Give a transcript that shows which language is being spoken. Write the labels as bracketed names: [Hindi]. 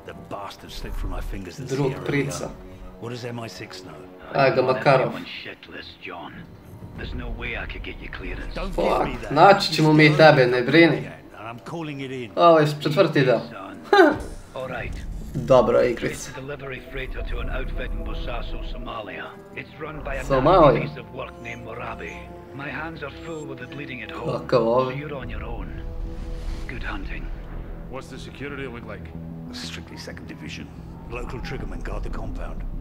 [English] Bastard slipped from my fingers at Sierra Leone. What does MI6 know? I got Makarov. There's no way I could get you clearance. Fuck. [Serbian] Naći ćemo mi tebe, ne brini. Ovo je četvrti deo. [English] All right. [Serbian] Dobro, igrice. [English] Delivery freighter to an outfit in Bosaso, Somalia. It's run by a Somali piece of work named Morabi. My hands are full with the bleeding at home. Fuck, so you're on your own. Good hunting. What's the security look like? Strictly second division. Local triggermen guard the compound.